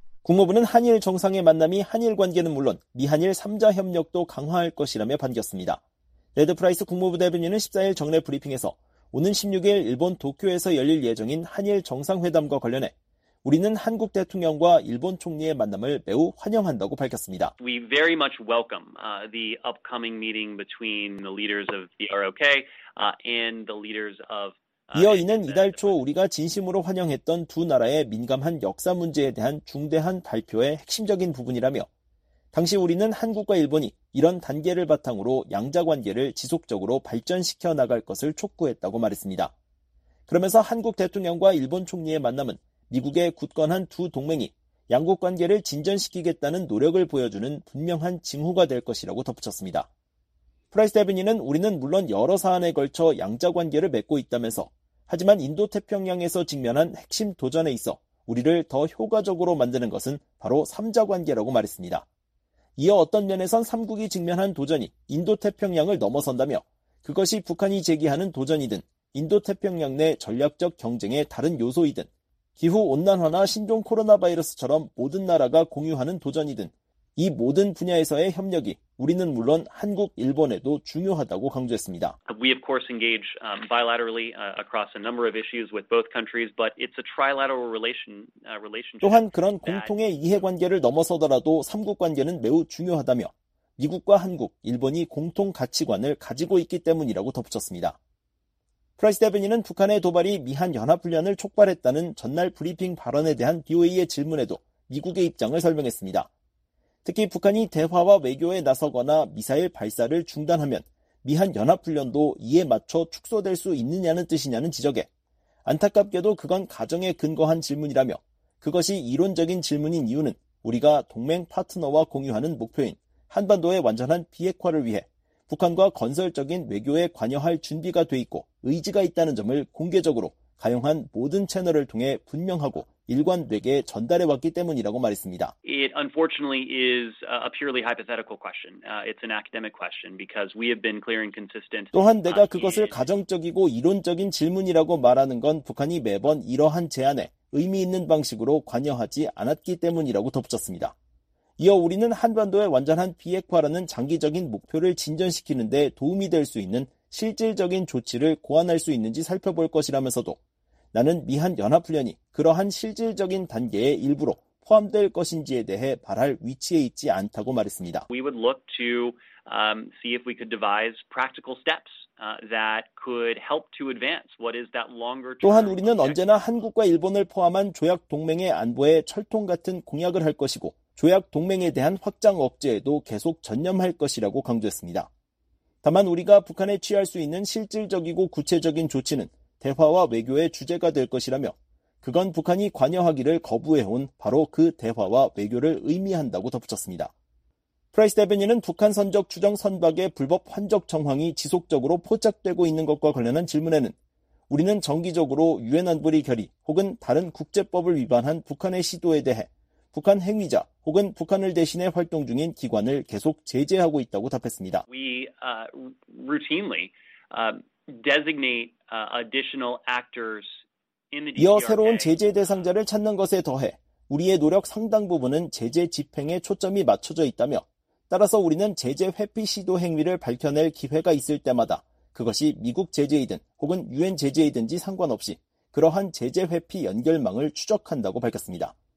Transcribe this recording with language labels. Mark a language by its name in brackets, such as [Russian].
[Korean] 국무부는 한일 정상의 만남이 한일 관계는 물론 미한일 3자 협력도 강화할 것이라며 반겼습니다. 레드 프라이스 국무부 대변인은 14일 정례 브리핑에서 오는 16일 일본 도쿄에서 열릴 예정인 한일 정상회담과 관련해 우리는 한국 대통령과 일본 총리의 만남을 매우 환영한다고 밝혔습니다. [English] We very much welcome the upcoming meeting between the leaders of the ROK and the leaders of [Korean] 이어 이는 이달 초 우리가 진심으로 환영했던 두 나라의 민감한 역사 문제에 대한 중대한 발표의 핵심적인 부분이라며 당시 우리는 한국과 일본이 이런 단계를 바탕으로 양자 관계를 지속적으로 발전시켜 나갈 것을 촉구했다고 말했습니다. 그러면서 한국 대통령과 일본 총리의 만남은 미국의 굳건한 두 동맹이 양국 관계를 진전시키겠다는 노력을 보여주는 분명한 징후가 될 것이라고 덧붙였습니다. 프라이스 대변인은 우리는 물론 여러 사안에 걸쳐 양자 관계를 맺고 있다면서 하지만 인도태평양에서 직면한 핵심 도전에 있어 우리를 더 효과적으로 만드는 것은 바로 3자 관계라고 말했습니다. 이어 어떤 면에선 3국이 직면한 도전이 인도태평양을 넘어선다며 그것이 북한이 제기하는 도전이든 인도태평양 내 전략적 경쟁의 다른 요소이든 기후온난화나 신종 코로나 바이러스처럼 모든 나라가 공유하는 도전이든 이 모든 분야에서의 협력이 우리는 물론 한국, 일본에도 중요하다고 강조했습니다. [English] We of course engage bilaterally across a number of issues with both countries, but it's a trilateral relationship. [Korean] 또한 그런 공통의 이해관계를 넘어서더라도 3국 관계는 매우 중요하다며 미국과 한국, 일본이 공통 가치관을 가지고 있기 때문이라고 덧붙였습니다. 프라이스 대변인은 북한의 도발이 미한 연합훈련을 촉발했다는 전날 브리핑 발언에 대한 BOA의 질문에도 미국의 입장을 설명했습니다. 특히 북한이 대화와 외교에 나서거나 미사일 발사를 중단하면 미한 연합훈련도 이에 맞춰 축소될 수 있느냐는 뜻이냐는 지적에 안타깝게도 그건 가정에 근거한 질문이라며 그것이 이론적인 질문인 이유는 우리가 동맹 파트너와 공유하는 목표인 한반도의 완전한 비핵화를 위해 북한과 건설적인 외교에 관여할 준비가 돼 있고 의지가 있다는 점을 공개적으로 가용한 모든 채널을 통해 분명하고 일관되게 전달해 왔기 때문이라고 말했습니다. [English] It unfortunately is a purely hypothetical question. It's an academic question because we have been clear and consistent. [Korean] 또한 내가 그것을 가정적이고 이론적인 질문이라고 말하는 건 북한이 매번 이러한 제안에 의미 있는 방식으로 관여하지 않았기 때문이라고 덧붙였습니다. 이어 우리는 한반도의 완전한 비핵화라는 장기적인 목표를 진전시키는 데 도움이 될 수 있는 실질적인 조치를 고안할 수 있는지 살펴볼 것이라면서도 나는 미한 연합훈련이 그러한 실질적인 단계의 일부로 포함될 것인지에 대해 말할 위치에 있지 않다고 말했습니다. [English] We would look to see if we could devise practical steps that could help to advance what is that longer term. [Korean] 또한 우리는 언제나 한국과 일본을 포함한 조약 동맹의 안보에 철통 같은 공약을 할 것이고 조약 동맹에 대한 확장 억제에도 계속 전념할 것이라고 강조했습니다. 다만 우리가 북한에 취할 수 있는 실질적이고 구체적인 조치는 대화와 외교의 주제가 될 것이라며 그건 북한이 관여하기를 거부해온 바로 그 대화와 외교를 의미한다고 덧붙였습니다. 프라이스 대변인은 북한 선적 추정 선박의 불법 환적 정황이 지속적으로 포착되고 있는 것과 관련한 질문에는 우리는 정기적으로 유엔 안보리 결의 혹은 다른 국제법을 위반한 북한의 시도에 대해 북한 행위자 혹은 북한을 대신해 활동 중인 기관을 계속 제재하고 있다고 답했습니다. [English] We routinely designate additional actors in the DPRK. [Korean] 이어 새로운 제재 대상자를 찾는 것에 더해 우리의 노력 상당 부분은 제재 집행에 초점이 맞춰져 있다며 따라서 우리는 제재 회피 시도 행위를 밝혀낼 기회가 있을 때마다 그것이 미국 제재이든 혹은 유엔 제재이든지 상관없이 그러한 제재 회피 연결망을 추적한다고 밝혔습니다.